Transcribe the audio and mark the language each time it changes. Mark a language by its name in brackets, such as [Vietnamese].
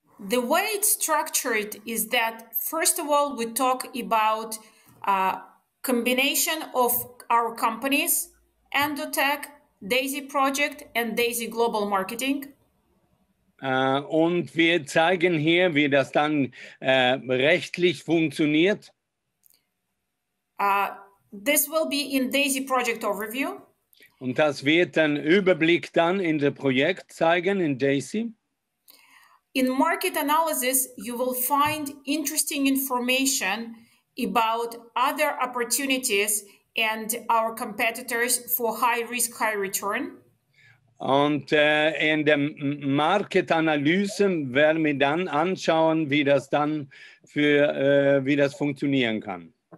[English] The way it's structured is that, first of all, we talk about combination of our companies, ENDOTECH, Daisy Project and Daisy Global Marketing. [German] Und wir zeigen hier, wie das dann rechtlich funktioniert. [English] This will be in Daisy Project Overview. [German] Und das wird dann Überblick dann in das Projekt zeigen, in Daisy. [English] In Market Analysis, you will find interesting information about other opportunities and our competitors for high risk, high return. [German] Und in der Market-Analyse werden wir dann anschauen, wie das funktionieren kann.